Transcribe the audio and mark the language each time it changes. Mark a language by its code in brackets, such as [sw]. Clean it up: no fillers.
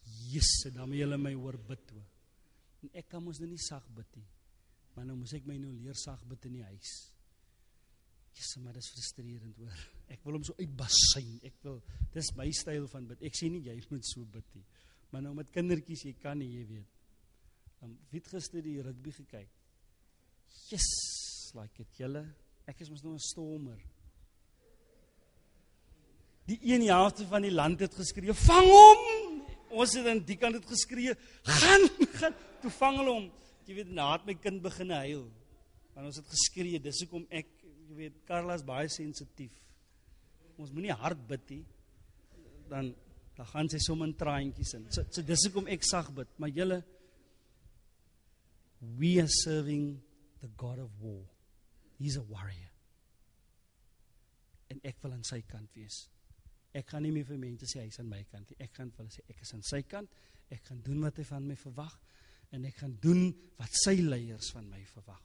[af] Jesus, dan moet jylle my hoor bid toe. En ek kan ons nou nie sag bid nie. Maar nou moes ek my nou leer sag bid in die huis. Jesus, maar dis frustrerend hoor. Ek wil hom so uitbasyn. Ek wil, dis my styl van bid. Ek sê nie, jy moet so bid nie. Maar nou met kindertjies, jy kan nie, jy weet. Wie het gister die rugby gekyk? [en] Yes, like it, [af] jylle. Ek is mos nou 'n stormer. Die een helfte van die land het geskree, vang hom! Ons het aan die kant het geskree, gaan, gaan, toe vang hulle hom. Jy weet, na het my kind begin huil. Want ons het geskree, dis hoekom ek, jy weet, Carla is baie sensitief. Ons moet nie hard bid, he. Dan gaan sy som in traantjies in. So dis hoekom ek sag bid. Maar julle, [en] we are serving the God of war. He's a warrior. [af] En ek wil aan sy kant wees. Ek gaan nie meer vir mense sê, hy is aan my kant. Ek gaan vir hulle sê, ek is aan sy kant. Ek gaan doen wat hy van my verwag. En ek gaan doen wat sy leiers van my verwag.